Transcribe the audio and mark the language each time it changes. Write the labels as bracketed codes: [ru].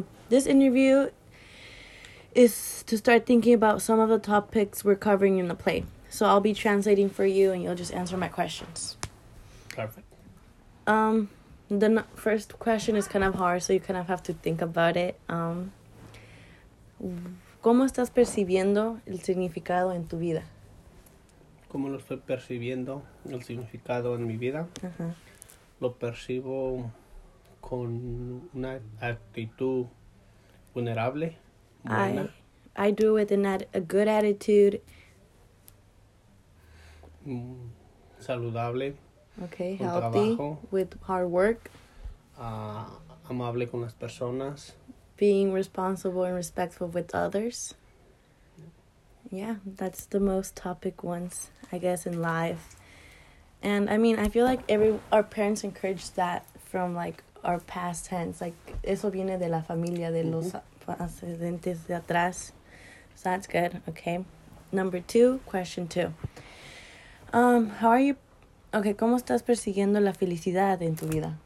[en] This interview is to start thinking about some of the topics we're covering in the play. So I'll be translating for you, and you'll just answer my questions. Perfect. The first question is kind of hard, so you kind of have to think about it. [es] ¿Cómo estás percibiendo el significado en tu vida? ¿Cómo lo estoy percibiendo el significado en mi vida? Lo percibo con una actitud vulnerable, buena. [en] I do with a good attitude. [es] Saludable. [en] Okay, healthy, with hard work. [es] Amable con las personas. [en] Being responsible and respectful with others. Yeah, that's the most topic ones, I guess, in life. And, I mean, I feel like our parents encouraged that from, like, our past tense. [es] Like, eso viene de la familia, de los antecedentes de atrás. [en] So that's good, okay. Number two, question two. Okay, [es] ¿cómo estás persiguiendo la felicidad en tu vida?